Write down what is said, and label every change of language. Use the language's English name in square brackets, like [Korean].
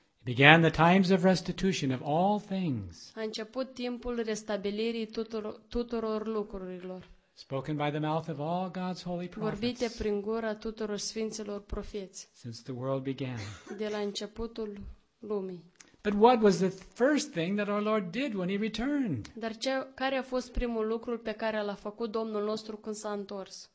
[English] It began the times of restitution of all things. [Romanian] A început timpul restabilirii tuturor lucrurilor. [English] Spoken by the mouth of all God's holy prophets. [Romanian] Vorbite prin gura tuturor sfinților profeți. [English] Since the world began. [Romanian] De la începutul lumii. [English] But what was the first thing that our Lord did when he returned? [Romanian] Dar care a fost primul lucru pe care l-a făcut Domnul nostru când s-a întors?